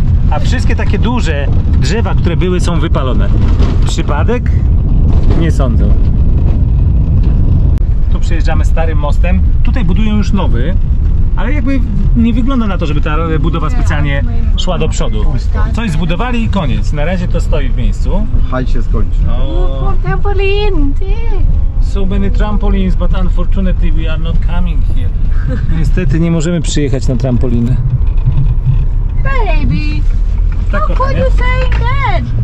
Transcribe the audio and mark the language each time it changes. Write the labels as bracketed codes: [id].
[pl] A wszystkie takie duże drzewa, które były, są wypalone. Przypadek? Nie sądzę. Tu przejeżdżamy starym mostem. Tutaj budują już nowy, a ale jakby nie wygląda na to, żeby ta budowa specjalnie szła do przodu. Pusto. Coś zbudowali i koniec. Na razie to stoi w miejscu. Haj się skończy. No. [en] So many trampolines, but unfortunately we are not coming here. [pl] Niestety nie możemy przyjechać na trampolinę. [en] Baby, tak how could you say that?